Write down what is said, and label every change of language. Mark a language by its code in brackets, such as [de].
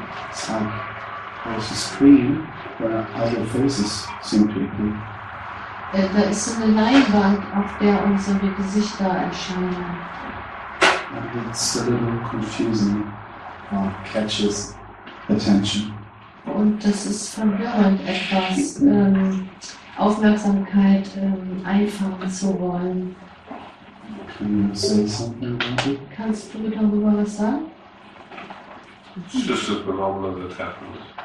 [en] It's like there's a screen where other faces seem to appear. [de] Da ist so eine Leinwand, auf der unsere Gesichter erscheinen. [en] And it's a little confusing or catches attention. [de] Und das ist verwirrend, etwas Aufmerksamkeit einfangen zu wollen. [en] Can you say something about it? [de] Kannst du darüber was sagen? [en] It's just a phenomenon that happens.